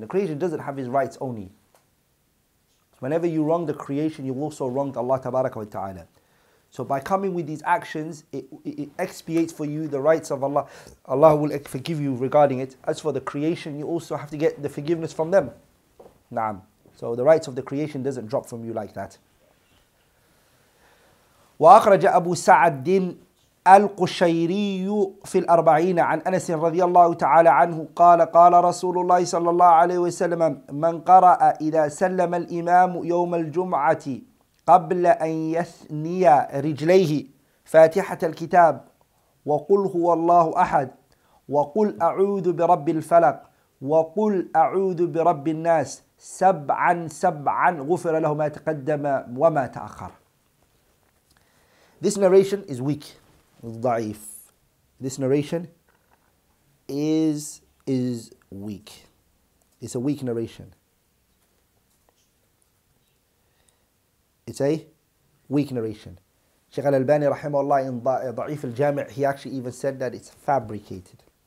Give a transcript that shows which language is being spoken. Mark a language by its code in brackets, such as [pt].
[en] The creation doesn't have His rights only. Whenever you wrong the creation, you also wrong Allah [ar] تبارك وتعالى. [en] So by coming with these actions, it expiates for you the rights of Allah. Allah will forgive you regarding it. As for the creation, you also have to get the forgiveness from them. Naam. So the rights of the creation doesn't drop from you like that. [ar] وَأَخْرَجَ أَبُو سَعَدٍ أَلْقُشَيْرِيُّ فِي الْأَرْبَعِينَ عَنْ أَنَسٍ رَضِيَ اللَّهُ تَعَالَى عَنْهُ قَالَ قَالَ رَسُولُ اللَّهِ صَلَّى اللَّهُ عَلَيْهِ وَسَلَّمَ مَنْ قَرَأَ إِذَا سَلَّمَ الْإِمَامُ يَوْمَ الْجُمْعَةِ قبل أن يثني رجليه فاتحة الكتاب وقل هو الله أحد وقل أعوذ برب الفلق وقل أعوذ برب الناس سبعا سبعا غفر له ما تقدم وما تأخر. [en] This narration is weak, [ar] ضعيف. [en] This narration is weak. It's a weak narration. It's a weak narration. Sheikh Al-Albani rahimahullah in Da'if al-Jami', he actually even said that it's fabricated.